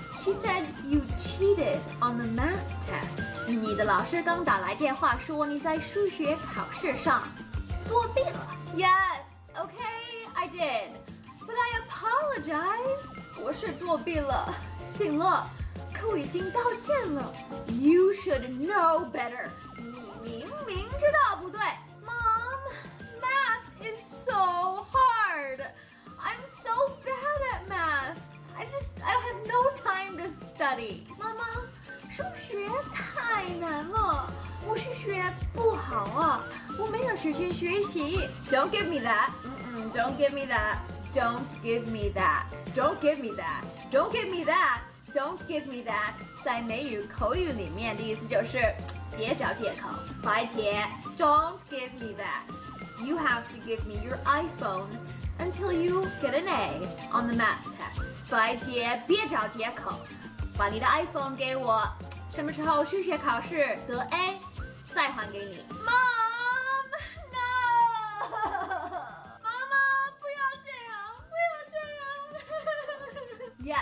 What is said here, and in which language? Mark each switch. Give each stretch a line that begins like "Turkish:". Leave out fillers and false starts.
English: She said you cheated on the math test.
Chinese: 你的老师刚打来电话说你在数学考试上作弊了。
English: Yes, okay, I did. But I apologized.
Chinese: 我是作弊了，醒了，可我已经道歉了。
English: You should know better.
Chinese: 你明明知道不对。
English: Mom, math is so hard. I'm so bad at math. I don't have no time to study.
Chinese: 妈妈，数学太难了，我数学不好啊，我没有时间学习。
English: Don't give me that. Don't give me that. Don't give me that. Don't give me that. Don't give me that. Don't give me that.
Chinese: 在美语口语里面的意思就是，别找借口。
English: 白姐 ，Don't give me that. You have to give me your iPhone. Until you get an A on the math test.
Chinese: 白姐，别找借口，把你的 iPhone 给我。什么时候数学考试得 A， 再还给你。
English: Mom, no!
Chinese: 妈妈，不要这样，不要这样。